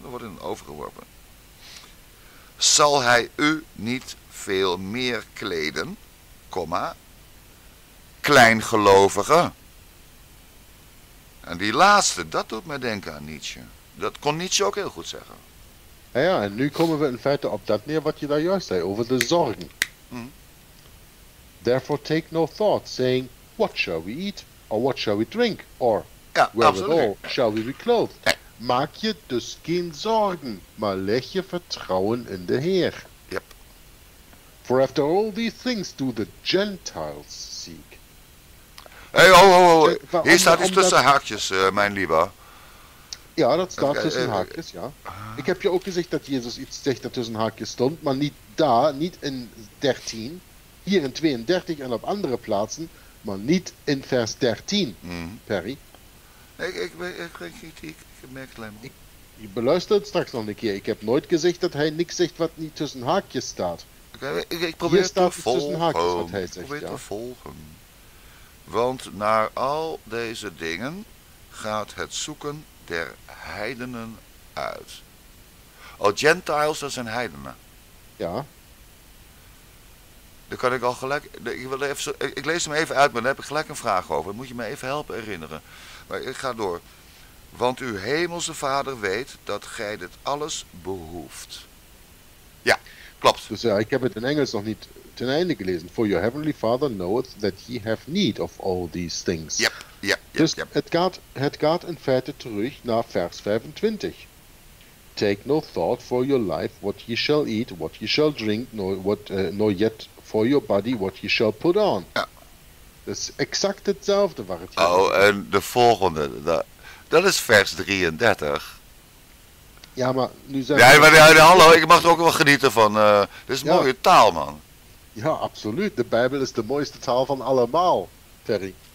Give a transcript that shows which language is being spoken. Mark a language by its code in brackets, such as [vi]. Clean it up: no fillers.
[nl] Dan wordt in de oven geworpen. Zal hij u niet veel meer kleden, comma, kleingelovigen? En die laatste, dat doet mij denken aan Nietzsche. Dat kon Nietzsche ook heel goed zeggen. Ja, en nu komen we in feite op dat neer wat je daar juist zei, over de zorgen. Mm. [en] Therefore take no thought, saying, what shall we eat, or what shall we drink, or wherewithal shall we be clothed? [nl] Nee. Maak je dus geen zorgen, maar leg je vertrouwen in de Heer. [en] Yep. For after all these things do the Gentiles seek. Hey, oh. [nl] Hier staat iets tussen haakjes, mijn lieber. Ja, dat staat tussen haakjes, ja. Ik heb je ook gezegd dat Jezus iets zegt dat tussen haakjes stond, maar niet daar, niet in 13, hier in 32 en op andere plaatsen, maar niet in vers 13, Perry. Ik merk het alleen maar. Je beluistert straks nog een keer. Ik heb nooit gezegd dat hij niks zegt wat niet tussen haakjes staat. Ik probeer het te volgen. Want naar al deze dingen gaat het zoeken der heidenen uit. Oh, Gentiles, dat zijn heidenen. Ja. Dan kan ik al gelijk... Ik lees hem even uit, maar daar heb ik gelijk een vraag over. Moet je me even helpen herinneren. Maar ik ga door. Want uw hemelse Vader weet dat gij dit alles behoeft. Ja, klopt. Dus ja, ik heb het in Engels nog niet ten einde gelezen. [en] For your heavenly father knoweth that ye have need of all these things. Yep, yep, yep, [nl] dus [en] yep. [nl] Het gaat in feite terug naar vers 25. [en] Take no thought for your life what ye shall eat, what ye shall drink, nor yet for your body what ye shall put on. [nl] Ja. Dus exact hetzelfde waar het hier gaat. Oh, en de volgende, dat is vers 33. Ja, maar nu zijn we... Ja, hallo, ik mag er ook wel genieten van. Dit is mooie taal, man. Ja, absoluut. De Bijbel is de mooiste taal van allemaal, Terry.